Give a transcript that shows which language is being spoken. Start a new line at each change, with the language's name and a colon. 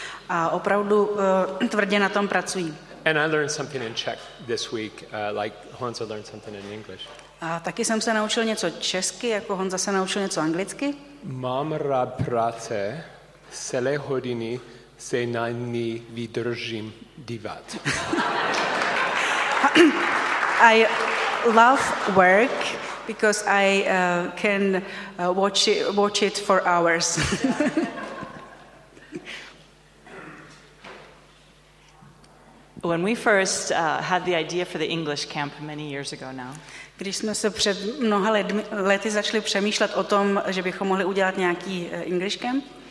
Czech: A opravdu tvrdě na tom pracují.
English: And I learned something in Czech this week, like Honza learned something in English.
Czech: A taky jsem se naučil něco česky, jako Honza se naučil něco anglicky. Mám rád práce, celé hodiny se na ní vydržím dívat.
English: I love work because I can watch it for hours. When we first had the idea for the English camp many years ago now.
Czech: Když jsme se před mnoha lety začali přemýšlet o tom, že bychom mohli udělat nějaký English camp.